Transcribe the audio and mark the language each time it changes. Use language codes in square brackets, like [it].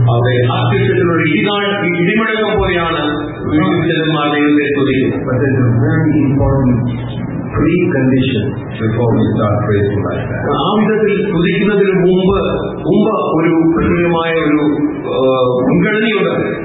[ml] അവരെ അത്യുഷ്ടത്തിലൊരു ഇടിമുഴക്കം പോലെയാണ് വിശ്വസിച്ചതെന്നാണ് ദൈവത്തെ സ്തുതിക്കുന്നത്. [en] Precondition before we start praising like that. [ml] ആ വിധത്തിൽ സ്തുതിക്കുന്നതിന് മുമ്പ് ഒരു പ്രത്യേകമായ ഒരു മുൻഗണനയുണ്ട്.